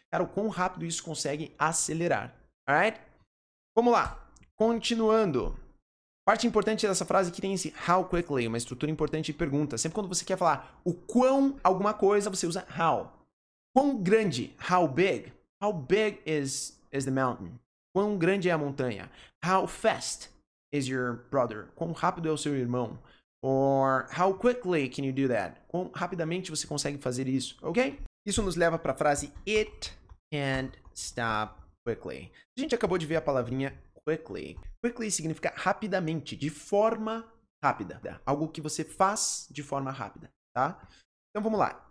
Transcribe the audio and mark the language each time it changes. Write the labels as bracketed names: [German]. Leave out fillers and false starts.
[Portuguese] Cara, o quão rápido isso consegue acelerar? Alright? Vamos lá. Continuando. Parte importante dessa frase aqui tem esse how quickly, uma estrutura importante de pergunta. Sempre quando você quer falar o quão alguma coisa, você usa how. Quão grande? [English] How big? How big is the mountain? [Portuguese] Quão grande é a montanha? [English] How fast is your brother? [Portuguese] Quão rápido é o seu irmão? [English] Or how quickly can you do that? [Portuguese] Quão rapidamente você consegue fazer isso, ok? Isso nos leva para a frase [English] it can't stop quickly. [Portuguese] A gente acabou de ver a palavrinha quickly. Quickly significa rapidamente, de forma rápida. Algo que você faz de forma rápida, tá? Então vamos lá.